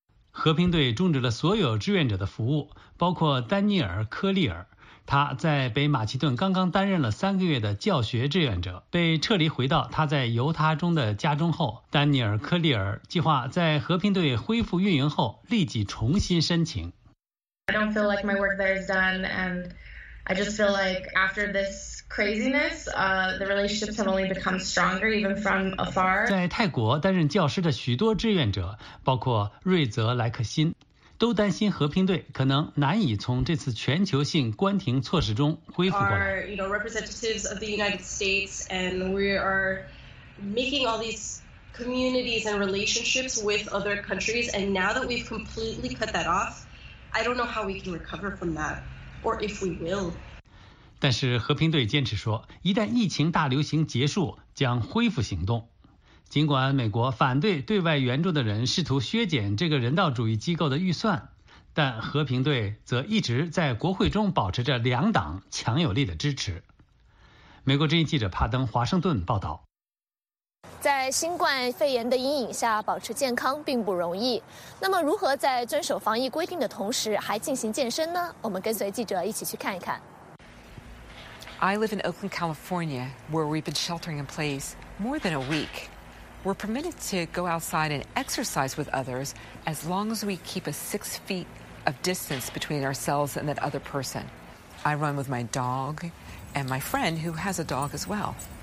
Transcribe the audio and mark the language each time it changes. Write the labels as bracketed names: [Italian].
[Chinese] 和平队终止了所有志愿者的服务，包括丹尼尔·科利尔，他在北马其顿刚刚担任了3个月的教学志愿者，被撤离回到他在犹他州的家中后，丹尼尔·科利尔计划在和平队恢复运营后立即重新申请。 [English] I don't feel like my work there is done, and I just feel like after this. The relationships have only become stronger, even from afar. [Chinese] 在泰国担任教师的许多志愿者，包括瑞泽·莱克辛，都担心和平队可能难以从这次全球性关停措施中恢复过来。 [English] Representatives of the United States, and we are making all these communities and relationships with other countries. And now that we've completely cut that off, I don't know how we can recover from that, or if we will. [Chinese] 但是和平队坚持说，一旦疫情大流行结束，将恢复行动。尽管美国反对对外援助的人试图削减这个人道主义机构的预算，但和平队则一直在国会中保持着两党强有力的支持。美国之音记者帕登华盛顿报道。在新冠肺炎的阴影下保持健康并不容易，那么如何在遵守防疫规定的同时还进行健身呢？我们跟随记者一起去看一看。 [English] I live in Oakland, California, where we've been sheltering in place more than a week. We're permitted to go outside and exercise with others as long as we keep a 6 feet of distance between ourselves and that other person. I run with my dog and my friend who has a dog as well.